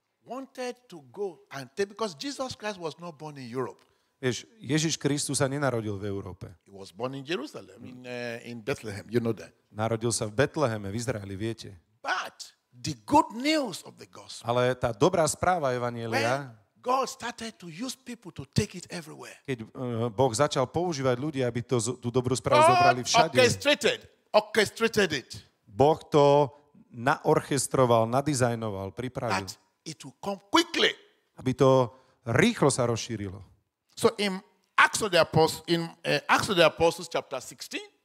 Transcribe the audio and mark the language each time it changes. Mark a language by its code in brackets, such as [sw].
[en] Wanted to go and take, because Jesus Christ was not born in Europe. [sk] Vieš, Ježiš Kristus sa nenarodil v Európe. [en] He was born in Jerusalem in Bethlehem, you know that. [sk] Narodil sa v Betleheme v Izraeli, viete. [en] But the good news of the gospel. [sk] Ale tá dobrá správa evanjelia. [en] God started to use people to take it everywhere. [sk] Keď Boh začal používať ľudí, aby to tú dobrú správu zobrali všade. [en] Orchestrated it. [sk] Boh to naorchestroval, nadizajnoval, pripravil. [en] That it will come quickly. [sk] Aby to rýchlo sa rozšírilo. [en] So in Acts of the Apostles, chapter 16.